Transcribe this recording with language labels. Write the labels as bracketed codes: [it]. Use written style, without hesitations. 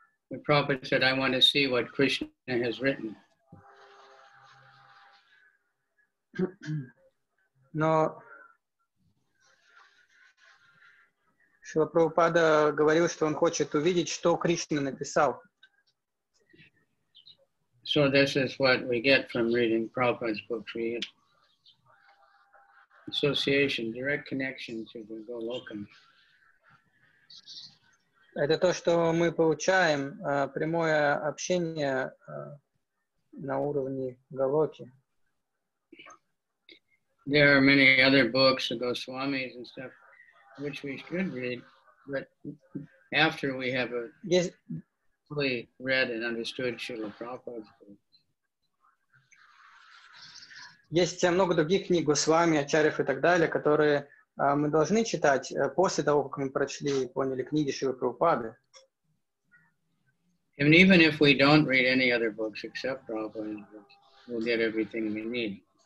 [en] The prophet said, I want to see what Krishna has written. [ru] Но Шрила Прабхупада говорил, что он хочет увидеть, что Кришна написал. [en] So this is what we get from reading Prabhupada's book. We get association, direct connection to the Goloka. [ru] Это то, что мы получаем, прямое общение на уровне Голоки. [en] There are many other books, the Goswamis and stuff, which we should read, but after we have fully read and understood Srila Prabhupada's books. [ru] Есть много других книг Госвами, Ачарьев и так далее, которые мы должны читать после того, как мы прочли и поняли книги Шрилы Прабхупады. [en] And even if we don't read any other books except Prabhupada's books, we'll get everything we need.